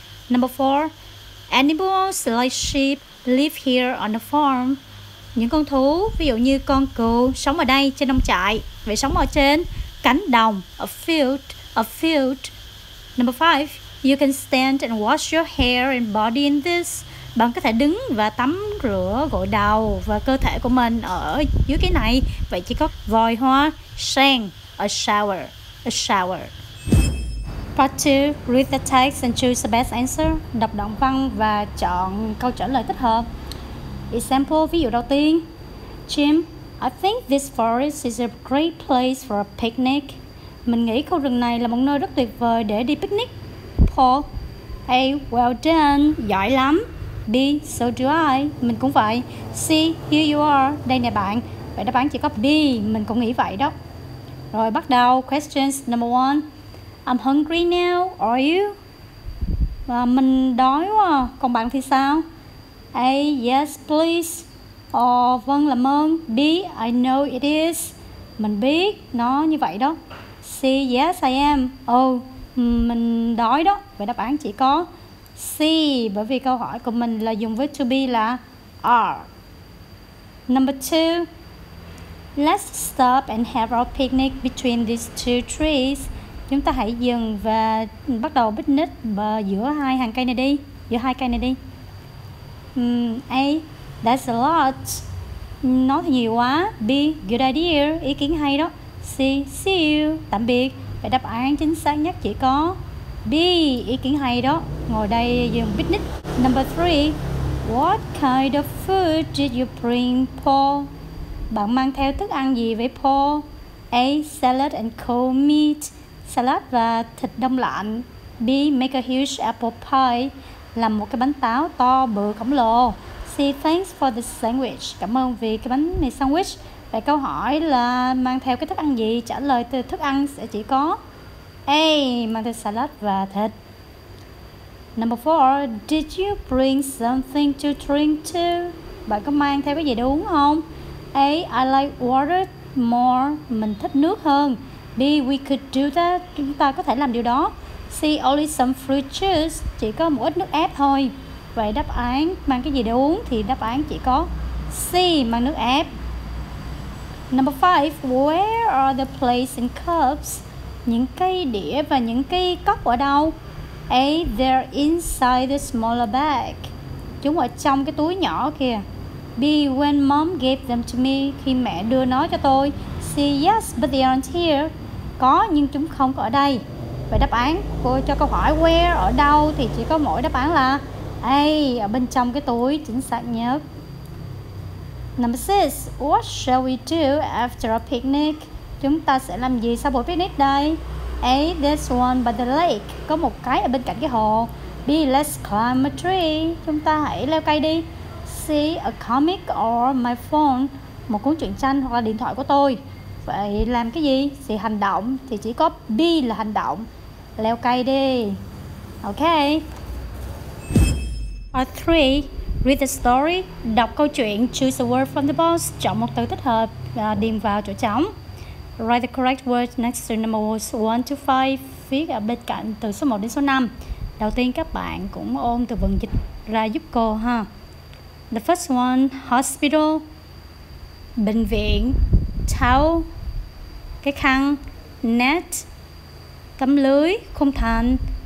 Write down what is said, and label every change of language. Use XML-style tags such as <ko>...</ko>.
<en>Number four, animals like sheep live here on a farm.</en> <vi>Những con thú, ví dụ như con cừu, sống ở đây trên nông trại. Vậy sống ở trên cánh đồng, a field.</vi> <en>Number five, you can stand and wash your hair and body in this.</en> <vi>Bạn có thể đứng và tắm rửa gội đầu và cơ thể của mình ở dưới cái này. Vậy chỉ có vòi hoa sen, a shower.</vi> <en>Part 2. Read the text and choose the best answer.</en> <vi>Đọc đoạn văn và chọn câu trả lời thích hợp. Example, ví dụ đầu tiên.</vi> <en>Jim, I think this forest is a great place for a picnic.</en> <vi>Mình nghĩ khu rừng này là một nơi rất tuyệt vời để đi picnic. Paul,</vi> <en>hey, well done,</en> <vi>giỏi lắm. B,</vi> <en>so do I,</en> <vi>mình cũng vậy. C,</vi> <en>here you are,</en> <vi>đây nè bạn. Vậy đáp án chỉ có B, mình cũng nghĩ vậy đó. Rồi bắt đầu,</vi> <en>questions number 1. I'm hungry now, are you?</en> <vi>Mình đói quá, còn bạn thì sao? A,</vi> <en>yes, please.</en> <vi>Vâng, làm ơn. B,</vi> <en>I know it is.</en> <vi>Mình biết, nó như vậy đó. C,</vi> <en>yes, I am.</en> <vi>Mình đói đó. Vậy đáp án chỉ có C, bởi vì câu hỏi của mình là dùng với to be là are.</vi> <en>Number 2. Let's stop and have our picnic between these two trees.</en> <vi>Chúng ta hãy dừng và bắt đầu picnic giữa hai hàng cây này đi. A,</vi> <en>that's a lot.</en> <vi>Nó thì nhiều quá. B,</vi> <en>good idea.</en> <vi>Ý kiến hay đó. C,</vi> <en>see you.</en> <vi>Tạm biệt. Vậy đáp án chính xác nhất chỉ có B, ý kiến hay đó. Ngồi đây dừng picnic.</vi> <en>Number 3. What kind of food did you bring, Paul?</en> <vi>Bạn mang theo thức ăn gì với Paul? A,</vi> <en>salad and cold meat.</en> <vi>Salad và thịt đông lạnh. B,</vi> <en>make a huge apple pie.</en> <vi>Làm một cái bánh táo to bự khổng lồ. C,</vi> <en>thanks for the sandwich.</en> <vi>Cảm ơn vì cái bánh mì sandwich. Vậy câu hỏi là mang theo cái thức ăn gì? Trả lời từ thức ăn sẽ chỉ có A, mang theo salad và thịt.</vi> <en>Number 4, did you bring something to drink too?</en> <vi>Bạn có mang theo cái gì để uống không? A,</vi> <en>I like water more.</en> <vi>Mình thích nước hơn. B,</vi> <en>we could do that.</en> <vi>Chúng ta có thể làm điều đó. C,</vi> <en>only some fruit juice.</en> <vi>Chỉ có một ít nước ép thôi. Vậy đáp án mang cái gì để uống thì đáp án chỉ có C, mang nước ép.</vi> <en>Number 5, where are the plates and cups?</en> <vi>Những cái đĩa và những cái cốc ở đâu? A,</vi> <en>they're inside the smaller bag.</en> <vi>Chúng ở trong cái túi nhỏ kìa.</vi> <en>B, when mom gave them to me,</en> <vi>khi mẹ đưa nó cho tôi. C,</vi> <en>yes, but they aren't here.</en> <vi>Có nhưng chúng không có ở đây. Vậy đáp án của cho câu hỏi where, ở đâu thì chỉ có mỗi đáp án là A, ở bên trong cái túi, chính xác nhất.</vi> <en>Number 6, what shall we do after a picnic?</en> <vi>Chúng ta sẽ làm gì sau buổi picnic đây? A,</vi> <en>there's one by the lake.</en> <vi>Có một cái ở bên cạnh cái hồ. B,</vi> <en>let's climb a tree.</en> <vi>Chúng ta hãy leo cây đi. C,</vi> <en>a comic or my phone.</en> <vi>Một cuốn truyện tranh hoặc là điện thoại của tôi. Vậy làm cái gì? Thì hành động thì chỉ có B là hành động. Leo cây đi. Ok.</vi> <en>Part 3, read the story.</en> <vi>Đọc câu chuyện,</vi> <en>choose a word from the box.</en> <vi>Chọn một từ thích hợp, điền vào chỗ trống.</vi> <en>Write the correct words next to numbers 1 to 5.</en> <vi>Viết ở bên cạnh từ số 1 đến số 5. Đầu tiên các bạn cũng ôn từ vựng dịch ra giúp cô ha.</vi> <en>The first one, hospital.</en> <vi>Bệnh viện. Towel, cái khăn. Net, tấm lưới, khung thành.</vi>